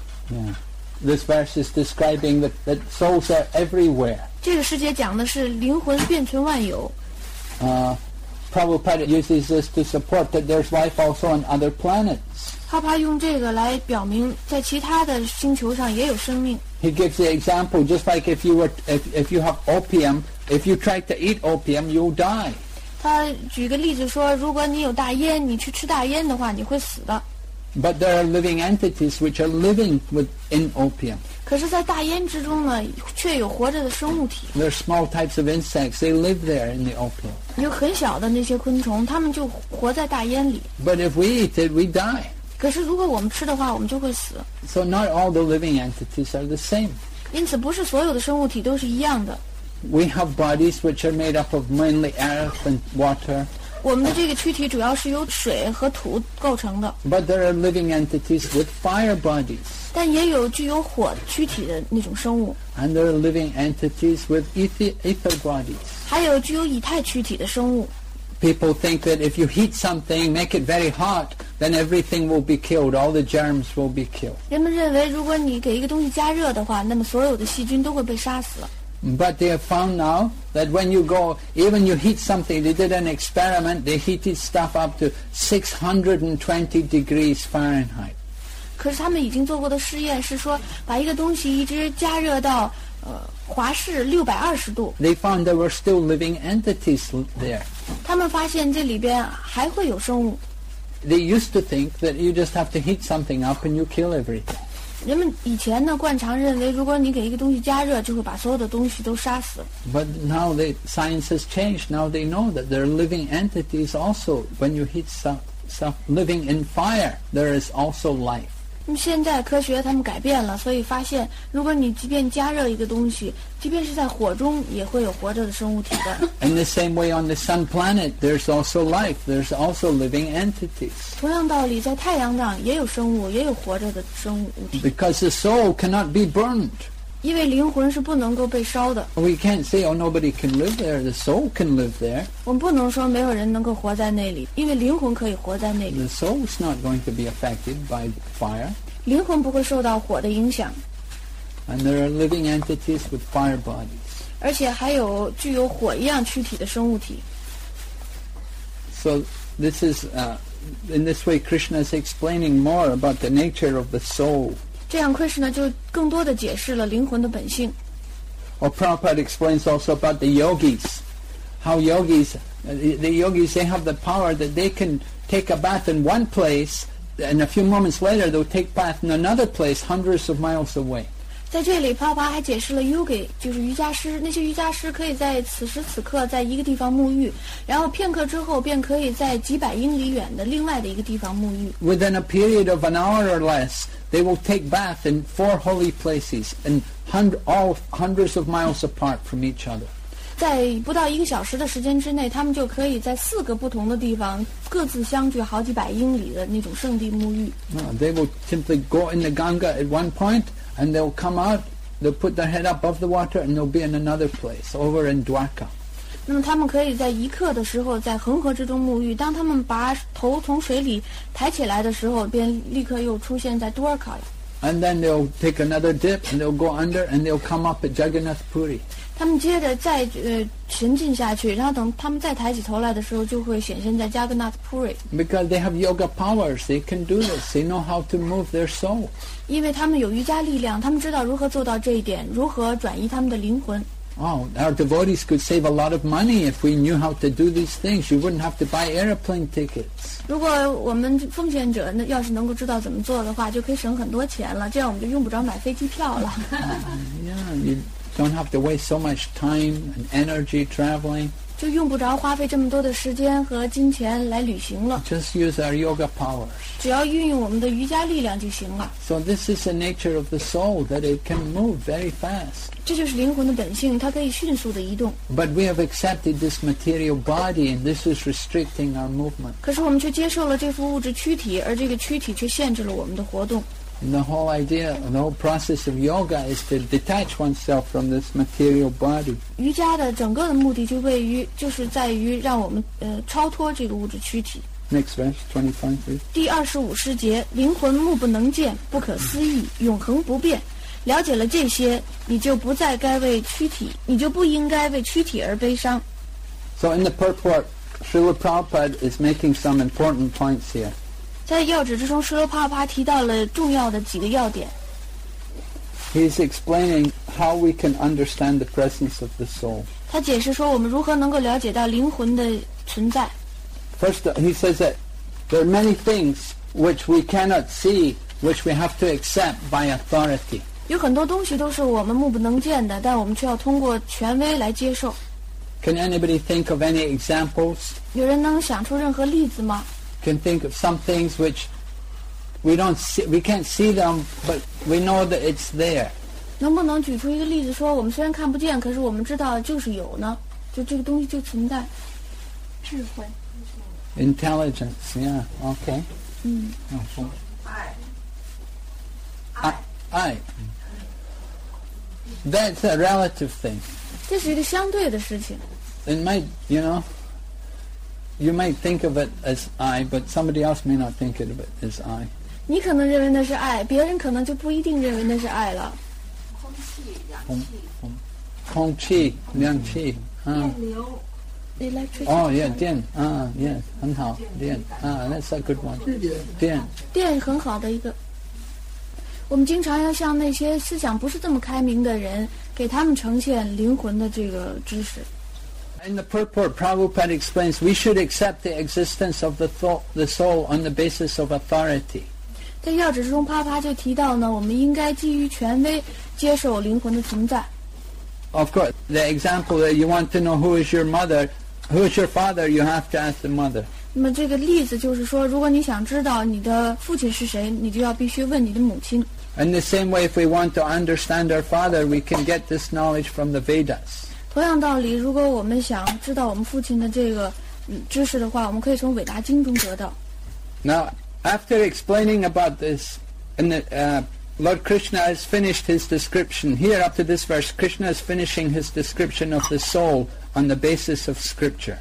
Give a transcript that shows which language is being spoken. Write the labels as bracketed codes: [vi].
[en] Yeah. This verse is describing that souls are everywhere. [zh] 这个世界讲的是灵魂遍存万有。 [en] Prabhupada uses this to support that there's life also on other planets. [zh] 哈帕用这个来表明在其他的星球上也有生命。 [en] He gives the example, just like if you have opium, if you try to eat opium, you'll die. [zh] 他举个例子说，如果你有大烟，你去吃大烟的话，你会死的。 [en] But there are living entities which are living within opium. [zh] 可是在大烟之中呢，却有活着的生物体。 [en] There are small types of insects. They live there in the opium. [zh] 有很小的那些昆虫，它们就活在大烟里。 [en] But if we eat it, we die. [zh] 可是如果我们吃的话，我们就会死。 [en] So not all the living entities are the same. [zh] 因此，不是所有的生物体都是一样的。 [en] We have bodies which are made up of mainly earth and water. [zh] 我们的这个躯体主要是由水和土构成的。 [en] But there are living entities with fire bodies. [zh] 但也有具有火躯体的那种生物。 [en] And there are living entities with ether bodies. [zh] 还有具有以太躯体的生物。 [en] People think that if you heat something, make it very hot, then everything will be killed. All the germs will be killed. [zh] 人们认为，如果你给一个东西加热的话，那么所有的细菌都会被杀死了。 [en] But they have found now that when you go, even you heat something, they did an experiment, they heated stuff up to 620 degrees Fahrenheit. [zh] 可是他们已经做过的试验是说把一个东西一直加热到华氏620度。 [en] They found there were still living entities there. [zh] 他们发现这里边还会有生物。 [en] They used to think that you just have to heat something up and you kill everything. [zh] 人们以前呢惯常认为如果你给一个东西加热就会把所有的东西都杀死 [en] But now the science has changed. Now they know that there are living entities also. When you heat stuff living in fire, there is also life. [zh] 现在科学他们改变了，所以发现如果你即便加热一个东西，即便是在火中也会有活着的生物体的。 [en] In the same way on the sun planet, there's also life. There's also living entities. [zh] 同样道理，在太阳上也有生物，也有活着的生物体。 [en] Because the soul cannot be burned. [zh] 因为灵魂是不能够被烧的。 [en] We can't say, oh, nobody can live there. The soul can live there. [zh] 我们不能说没有人能够活在那里，因为灵魂可以活在那里。 [en] The soul is not going to be affected by fire. [zh] 灵魂不会受到火的影响。 [en] And there are living entities with fire bodies. [zh] 而且还有具有火一样躯体的生物体。 [en] So this is, in this way, Krishna is explaining more about the nature of the soul. [zh] 这样 Krishna 就更多地解释了灵魂的本性。 [en] Or Prabhupada explains also about the yogis. How yogis, the yogis, they have the power that they can take a bath in one place, and a few moments later they'll take bath in another place hundreds of miles away. [zh] 在这里帕帕还解释了 Yogi 就是瑜伽师那些瑜伽师可以在此时此刻在一个地方沐浴然后片刻之后便可以在几百英里远的另外的一个地方沐浴 [en] Within a period of an hour or less they will take bath in four holy places and all hundreds of miles apart from each other [zh] 在不到一个小时的时间之内他们就可以在四个不同的地方各自相距好几百英里的那种圣地沐浴 [en] They will simply go in the Ganga at one pointAnd they'll come out, they'll put their head above the water, and they'll be in another place, over in Dwarka. [zh] 那么他们可以在一刻的时候在恒河之中沐浴。当他们把头从水里抬起来的时候，便立刻又出现在 Dwarka 了。 [en] And then they'll take another dip, and they'll go under, and they'll come up at Jagannath Puri. [zh] 他们接着再沉浸下去，然后等他们再抬起头来的时候，就会显现在 Jagannath Puri. [en] Because they have yoga powers, they can do this. They know how to move their soul. [zh] 因为他们有瑜伽力量，他们知道如何做到这一点，如何转移他们的灵魂。 [en] Oh, our devotees could save a lot of money if we knew how to do these things. You wouldn't have to buy airplane tickets. [zh] 如果我们奉献者要是能够知道怎么做的话，就可以省很多钱了。这样我们就用不着买飞机票了。 [en] Yeah, you don't have to waste so much time and energy traveling. [zh] 就用不着花费这么多的时间和金钱来旅行了。 [en] Just use our yoga powers. [zh] 只要运用我们的瑜伽力量就行了。 [en] So this is the nature of the soul that it can move very fast. [zh] 这就是灵魂的本性，它可以迅速的移动。 [en] But we have accepted this material body, and this is restricting our movement. [zh] 可是我们却接受了这副物质躯体，而这个躯体却限制了我们的活动。 [en] And the whole idea, the whole process of yoga is to detach oneself from this material body. [zh] 瑜伽的整个的目的就是在于让我们超脱这个物质躯体。 [en] Next verse, 25. [zh] 第二十五诗节，灵魂目不能见，不可思议，永恒不变。了解了这些，你就不再该为躯体，你就不应该为躯体而悲伤。 [en] So in the purport, Srila Prabhupada is making some important points here. [zh] 在要旨之中，Srila Prabhupada提到了重要的几个要点。 [en] He is explaining how we can understand the presence of the soul. [zh] 他解释说，我们如何能够了解到灵魂的存在。 [en] First, he says that there are many things which we cannot see, which we have to accept by authority. [zh] 有很多东西都是我们目不能见的，但我们却要通过权威来接受。 [en] Can anybody think of any examples? [zh] 有人能想出任何例子吗？ [en] Can think of some things which we don't see, we can't see them, but we know that it's there. [zh] 能不能举出一个例子，说我们虽然看不见，可是我们知道就是有呢？就这个东西就存在。智慧。 [en] Intelligence. Yeah. Okay. 嗯。 [zh] 爱。 [en] That's a relative thing. [zh] 这是一个相对的事情。 [en] It might, you know, you might think of it as I, but somebody else may not think of it as I. [zh] 你可能认为那是爱，别人可能就不一定认为那是爱了。空气、氧气。空气、氧气。电流。 [en] Electricity. Oh, yeah, [zh] 电。 [en] Yes, [zh] 很好。 [en] 电。That's a good one. 电。 [zh] 电很好的一个。我们经常要向那些思想不是这么开明的人，给他们呈现灵魂的这个知识。 [en] In the purport, Prabhupada explains we should accept the existence of the soul on the basis of authority. [zh] 在要旨之中，啪啪就提到呢，我们应该基于权威接受灵魂的存在。 [en] Of course, the example that you want to know who is your mother, who is your father, you have to ask the mother. [zh] 那么这个例子就是说，如果你想知道你的父亲是谁，你就要必须问你的母亲。 [en] In the same way, if we want to understand our father, we can get this knowledge from the Vedas. [zh] 同样道理，如果我们想知道我们父亲的这个知识的话，我们可以从伟达经中得到。 [en] Now, after explaining about this, and the, Lord Krishna has finished his description here up to this verse. Krishna is finishing his description of the soul. On the basis of scripture.